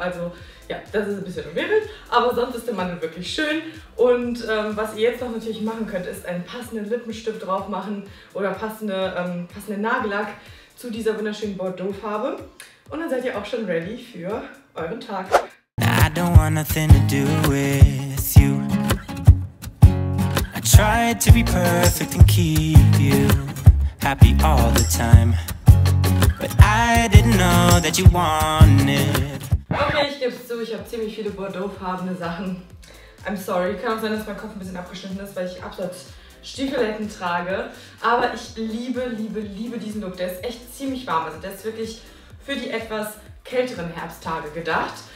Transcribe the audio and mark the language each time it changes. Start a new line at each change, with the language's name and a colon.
German: Also ja, das ist ein bisschen umwirbelt, aber sonst ist der Mantel wirklich schön. Und was ihr jetzt noch natürlich machen könnt, ist einen passenden Lippenstift drauf machen oder passenden Nagellack zu dieser wunderschönen Bordeaux-Farbe. Und dann seid ihr auch schon ready für euren Tag.
English: I don't want nothing to do with you. I tried to be perfect and keep you happy all the time. But I didn't know that you wanted.
German: Okay, ich gebe es zu, ich habe ziemlich viele Bordeaux-farbene Sachen.
English: I'm sorry,
German: kann auch sein, dass mein Kopf ein bisschen abgeschnitten ist, weil ich Absatzstiefeletten trage. Aber ich liebe, liebe, liebe diesen Look. Der ist echt ziemlich warm. Also der ist wirklich für die etwas kälteren Herbsttage gedacht.